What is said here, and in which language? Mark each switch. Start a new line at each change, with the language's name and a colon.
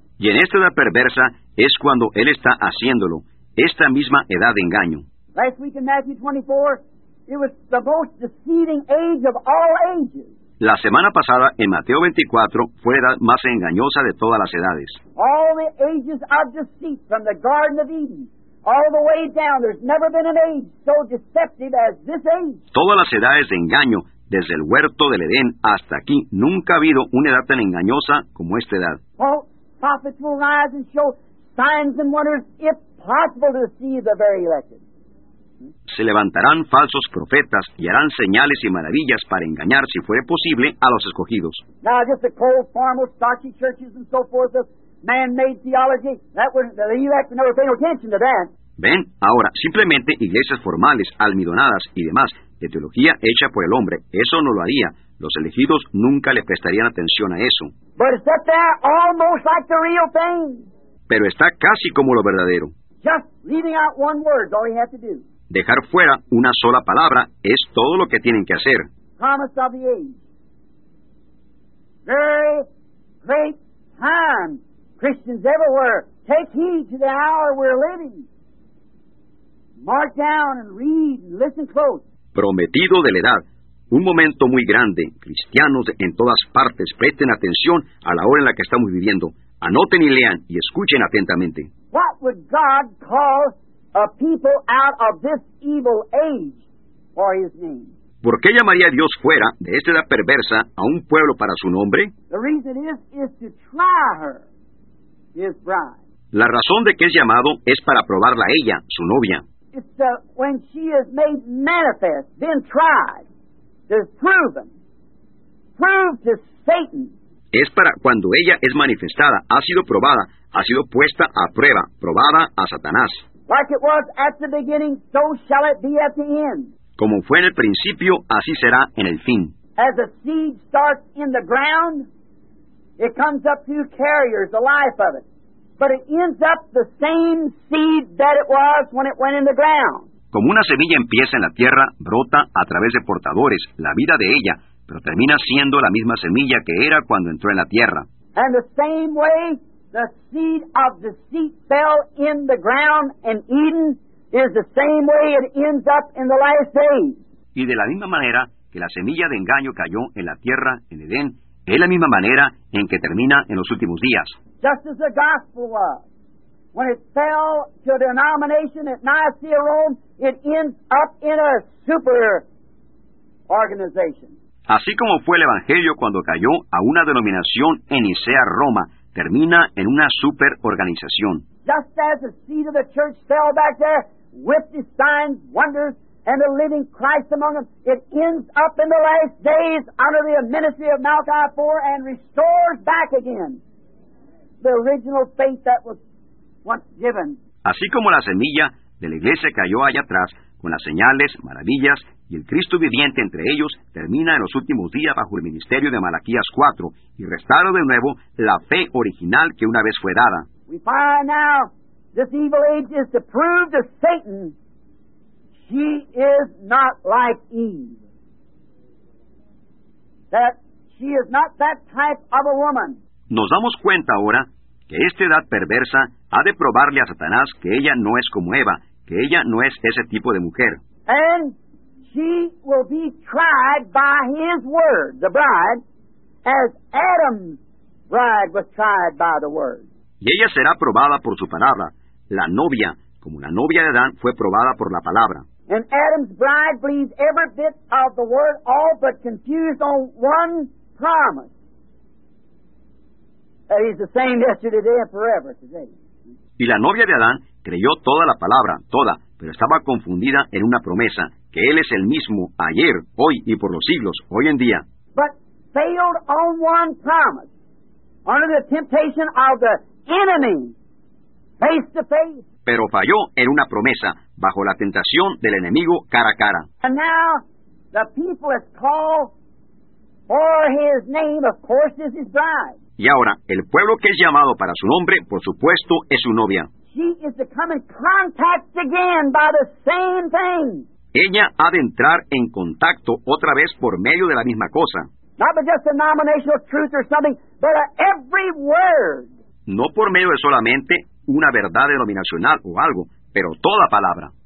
Spanish: Y en esta edad perversa es cuando él está haciéndolo, esta misma edad de engaño.
English: Last week in Matthew 24, it was the most deceiving age of all ages.
Spanish: La semana pasada, en Mateo 24, fue la edad más engañosa de todas las edades.
English: All the ages of deceit from the Garden of Eden, all the way down, there's never been an age so deceptive as this age.
Spanish: Todas las edades de engaño, desde el huerto del Edén hasta aquí, nunca ha habido una edad tan engañosa como esta edad.
English: Well, prophets will rise and show signs and wonders, if possible, to deceive the very elected.
Spanish: Se levantarán falsos profetas y harán señales y maravillas para engañar, si fuere posible, a los escogidos.
English: Now, just the cold, formal, stocky churches and so forth, the man-made theology, that was, the elect never paid attention to that.
Spanish: Ven, ahora, simplemente iglesias formales, almidonadas y demás, de teología hecha por el hombre, eso no lo haría. Los elegidos nunca le prestarían atención a eso.
English: But it's up there almost like the real thing.
Spanish: Pero está casi como lo verdadero.
English: Just leaving out one word, all you have to do.
Spanish: Dejar fuera una sola palabra es todo lo que tienen que hacer.
English: Promise of the age. Very great time. Christians everywhere, take heed to the hour we're living. Mark down and read and listen close.
Spanish: Prometido de la edad. Un momento muy grande. Cristianos en todas partes, presten atención a la hora en la que estamos viviendo. Anoten y lean y escuchen atentamente.
English: What would God call a people out of this evil age for his name?
Spanish: ¿Por qué llamaría Dios fuera de esta edad perversa a un pueblo para su nombre?
English: The reason is to try her, his bride.
Spanish: La razón de que es llamado es para probarla a ella, su novia.
English: It's the, when she is made manifest, then tried, then proven, proved to Satan.
Spanish: Es para cuando ella es manifestada, ha sido probada, ha sido puesta a prueba, probada a Satanás.
English: Like it was at the beginning, so shall it be at the end.
Spanish: Como fue en el principio, así será en el fin.
English: As a seed starts in the ground, it comes up through carriers, the life of it. But it ends up the same seed that it was when it went in the ground.
Spanish: Como una semilla empieza en la tierra, brota a través de portadores, la vida de ella, pero termina siendo la misma semilla que era cuando entró en la tierra.
English: And the same way, the seed of deceit fell in the ground in Eden is the same way it ends up in the last days.
Spanish: Y de la misma manera que la semilla de engaño cayó en la tierra en Edén, es la misma manera en que termina en los últimos días.
English: Just as the gospel was, when it fell to a denomination at Nicaea, Rome, it ends up in a super organization.
Spanish: Así como fue el evangelio cuando cayó a una denominación en Nicea, Roma, termina en una superorganización.
English: Just as the seed of the church fell back there with the signs, wonders, and the living Christ among them, it ends up in the last days under the ministry of Malachi 4 and restores back again the original faith that was once given.
Spanish: Así como la semilla de la iglesia cayó allá atrás con las señales, maravillas, y el Cristo viviente entre ellos termina en los últimos días bajo el ministerio de Malaquías 4 y restaura de nuevo la fe original que una vez fue dada.
English: We find now This evil age is to prove to Satan she is not like Eve. That she is not that type of a woman.
Spanish: Nos damos cuenta ahora que esta edad perversa ha de probarle a Satanás que ella no es como Eva, que ella no es ese tipo de mujer.
English: And she will be tried by his word, the bride, as Adam's bride was tried by the word.
Spanish: Y ella será probada por su palabra, la novia, como la novia de Adán fue probada por la palabra.
English: And Adam's bride believes every bit of the word, all but confused on one promise. That he's the same yesterday, today, and forever today.
Spanish: Y la novia de Adán creyó toda la palabra, toda, pero estaba confundida en una promesa, que él es el mismo ayer, hoy y por los siglos, hoy en día.
English: But failed on one promise, under the temptation of the enemy, face to face.
Spanish: Pero falló en una promesa, bajo la tentación del enemigo cara a cara.
English: And now, the people is called for his name, of course, is his bride.
Spanish: Y ahora, el pueblo que es llamado para su nombre, por supuesto, es su novia.
English: She is to come in contact again by the same thing.
Spanish: Ella ha de entrar en contacto otra vez por medio de la misma cosa.
English: Not by just a nominational truth or something, but every word.
Spanish: No por medio de solamente una verdad denominacional o algo, pero toda palabra.